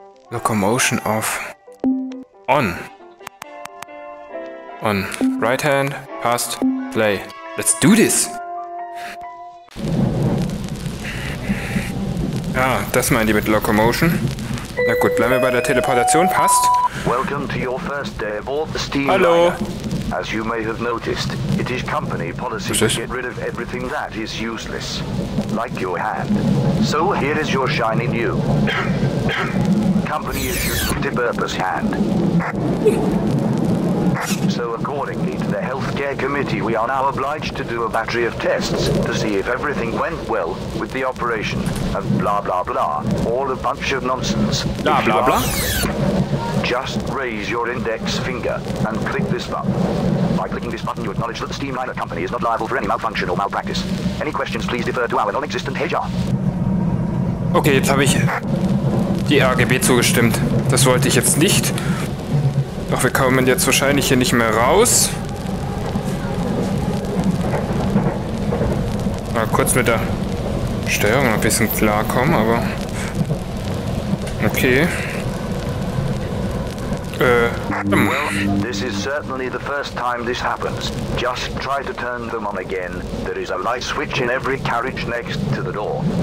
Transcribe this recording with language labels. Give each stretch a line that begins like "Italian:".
English: Locomotion off. On. On. Right hand, passt, play. Let's do this!
German: Ja, das meinen die mit Locomotion. Na gut, bleiben wir bei der Teleportation, passt.
English: Welcome to your first day aboard the Steam
German: Hallo.
English: Liner. As you may have noticed, it is company policy to get rid of everything that is useless. Like your hand. So here is your shiny new. Company issued multi-purpose hand. So accordingly to the healthcare committee, we are now obliged to do a battery of tests to see if everything went well with the operation and blah blah blah. All a bunch of nonsense. Blah blah blah. Just raise your index finger and click this button. By clicking this button, you acknowledge that the Steamliner company is not liable for any malfunction or malpractice. Any questions, please defer to our non-existent HR.
German: Okay, jetzt habe ich die RGB zugestimmt. Das wollte ich jetzt nicht. Doch, wir kommen jetzt wahrscheinlich hier nicht mehr raus. Mal kurz mit der Steuerung ein bisschen klarkommen, aber... Okay.
English: Well, this is certainly the first time this happens. Just try to turn them on again. There is a light switch in every carriage next to the door.